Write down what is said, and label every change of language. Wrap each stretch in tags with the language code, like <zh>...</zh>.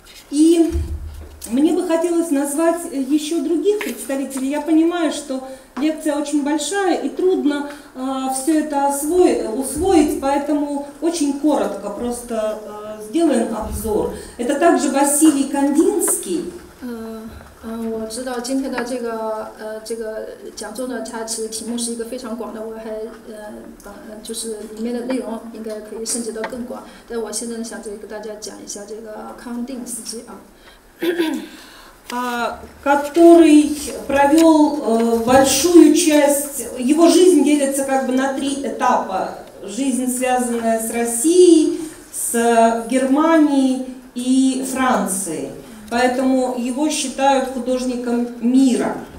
<ru>И мне бы хотелось назвать еще других представителей. Я понимаю, что лекция очень большая и трудно все это усвоить, поэтому очень коротко просто сделаем обзор. Это также Василий Кандинский.</ru> <zh>我知道今天的这个讲座呢，它其实题目是一个非常广的，我还就是里面的内容应该可以升级到更广，但我现在想给大家讲一下这个康定斯基啊，</zh> <ru>который провел большую часть, его жизнь делится как бы на три этапа. Жизнь, связанная с Россией, с Германией и Францией. Поэтому его считают художником мира.</ru>